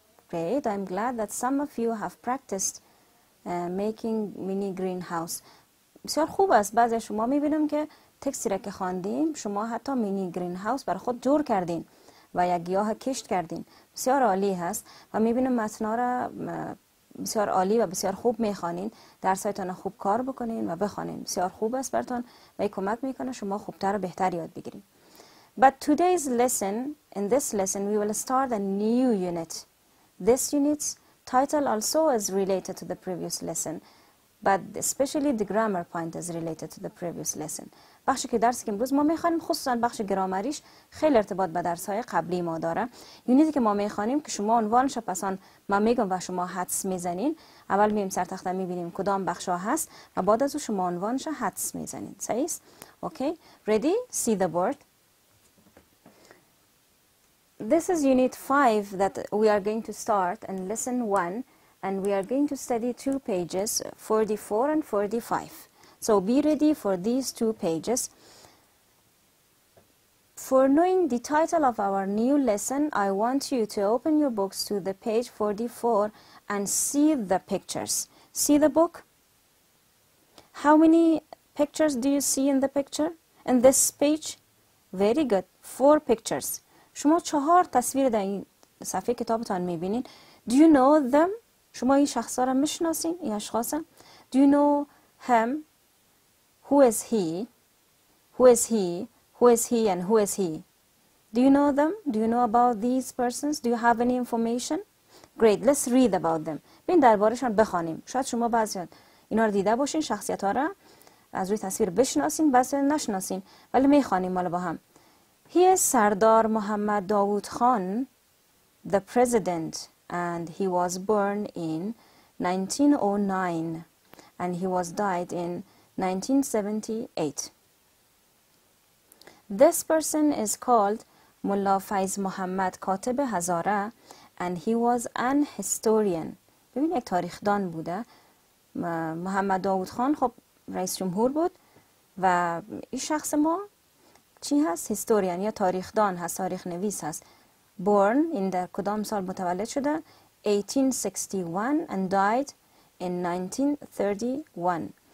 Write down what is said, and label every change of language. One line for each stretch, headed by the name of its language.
English: Great, I'm glad that some of you have practiced making mini greenhouse.
Persian: بسیار خوب است. بعضی شما میبینم که تکستی را که خواندیم شما حتی مینی گرین هاوس برای خود جور کردین و یک گیاه کشت کردین. بسیار عالی هست و میبینم متن را بسیار عالی و بسیار خوب میخوانین. درسایتان را خوب کار بکنین و بخوانین. بسیار خوب است براتون و کمک میکنه شما خوبتر و بهتر یاد بگیرید.
English: But today's lesson, in this lesson we will start a new unit. This unit's title also is related to the previous lesson, but especially the grammar point is related to the previous lesson.
Persian: بخشی که درسی که امروز ما میخوانیم خصوصا بخش گرامریش خیلی ارتباط به درس‌های قبلی ما داره. یونیتی که ما میخوانیم که شما عنوانش را پسان من میگم و شما حدس میزنین. اول میایم سر تخته میبینیم کدام بخش ها هست و بعد از او شما عنوانش را حدس میزنین. صحیح است؟
English: Okay. Ready? See the board. This is unit 5 that we are going to start in lesson 1 and we are going to study two pages, 44 and 45. So be ready for these two pages. For knowing the title of our new lesson, I want you to open your books to the page 44 and see the pictures. See the book? How many pictures do you see in the picture? In this page? Very good. Four pictures.
Persian: شما چهار تصویر در این صفحه کتابتان میبینین.
English: Do you know them?
Persian: شما این شخصا را میشناسین؟ این اشخاصا؟
English: Do you know him? Who is he? Who is he? Who is he and who is he? Do you know them? Do you know about these persons? Do you have any information? Great, let's read about them.
Persian: بین دربارشان بخوانیم. شاید شما بعضی اینا را دیده باشین شخصیت ها را از روی تصویر بشناسین بعضی نشناسین ولی میخوانیم مالا با هم.
English: He is Sardar Muhammad Dawood Khan, the president, and he was born in 1909, and he was died in 1978. This person is called Mullah Faiz Muhammad Kateb Hazara, and he was an historian.
Persian: ببین یک تاریخدان بوده. محمد داوود خان خب رئیس جمهور بود و این شخص ما چی هست؟ هیستوریان یا تاریخدان هست، تاریخ نویس هست. Born این در کدام سال متولد شده؟ 1861
English: and died in
Persian: 1931.